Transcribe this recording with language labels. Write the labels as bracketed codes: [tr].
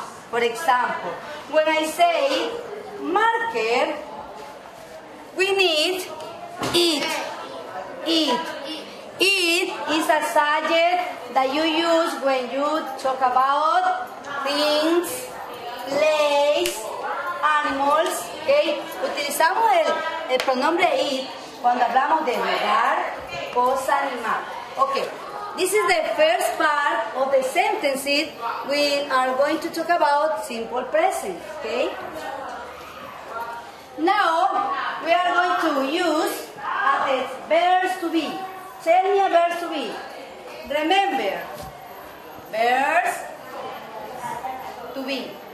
[en] For example, when I say marker, we need it. It is a subject that you use when you talk about things, place, animals, okay? [es] Utilizamos el pronombre it cuando hablamos de lugar, cosa, animal. [en] Okay, this is the first part of the sentences we are going to talk about simple present, okay? Now, we are going to use the verbs to be. Tell me a verb to be. Remember. Verbs to be.